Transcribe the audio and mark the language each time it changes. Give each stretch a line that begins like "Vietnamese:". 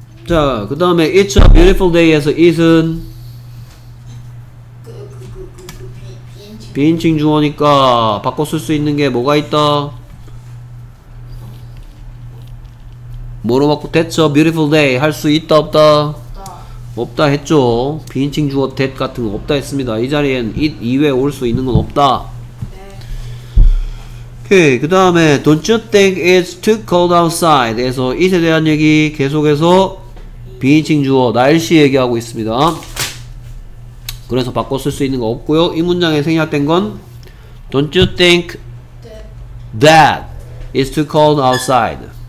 Korean: 자, 그 다음에
English: It's a beautiful day
Korean: 에서 it은 비인칭 주어니까 바꿔 쓸 수 있는 게 뭐가 있다? 뭐로 바꿔?
English: That's a beautiful day
Korean: 할 수 있다 없다? 없다 했죠. 비인칭 주어 that 같은 거 없다 했습니다. 이 자리엔 it 이외에 올 수 있는 건 없다. 오케이. 그 다음에
English: Don't you think it's too cold outside?
Korean: 에서 it에 대한 얘기 계속해서 비인칭 주어 날씨 얘기하고 있습니다. 그래서 바꿔 쓸 수 있는 거 없고요. 이 문장에 생략된 건
English: Don't you think that it's too cold outside?